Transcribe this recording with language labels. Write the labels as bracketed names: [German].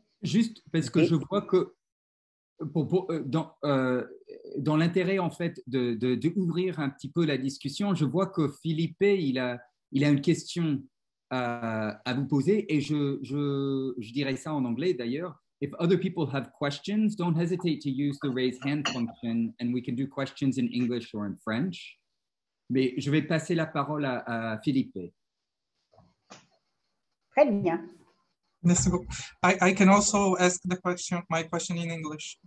[French] Juste parce que je vois que dans l'intérêt en fait de ouvrir un petit peu la discussion, je vois que Philippe, il a une question à vous poser, et je dirais ça en anglais d'ailleurs. [English] If other people have questions, don't hesitate to use the raise hand function and we can do questions in English or in French. [French] Mais je vais passer la parole à Philippe. Très bien. Merci beaucoup. [English] I can also ask the question, my question in English.